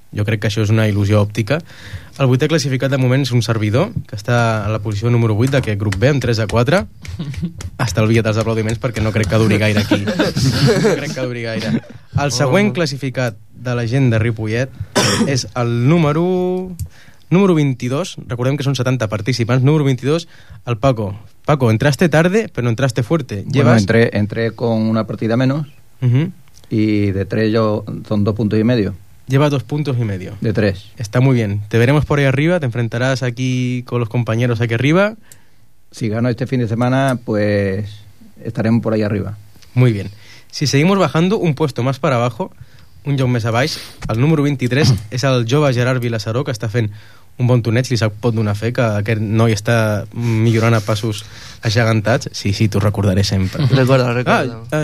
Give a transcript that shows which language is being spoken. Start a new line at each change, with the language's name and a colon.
Catalan: Jo crec que això és una il·lusió òptica. El 8è classificat de moment és un servidor, que està a la posició número 8 d'aquest grup B, amb 3 a 4. Estalvia't els aplaudiments, perquè no crec que duri gaire aquí. El següent classificat de la gent de Ripollet és el número 22, recordem que són 70 participants, número 22, el Paco.
Spanish: Paco, entraste tarde, pero entraste fuerte. Llevas... Bueno, entré con una partida menos, uh-huh. Y de tres yo son 2.5. Llevas 2.5. De tres. Está muy bien, te veremos por ahí arriba, te enfrentarás aquí con los compañeros aquí arriba. Si gano este fin de semana, pues estaremos por ahí arriba. Muy bien. Si seguimos bajando un puesto más para abajo,
Catalan: un lloc més a baix, el número 23 és el jove Gerard Vilassaró, que està fent un bon torneig. Li pot donar fe que aquest noi està millorant a passos agegantats. Sí, t'ho recordaré sempre. Recordo.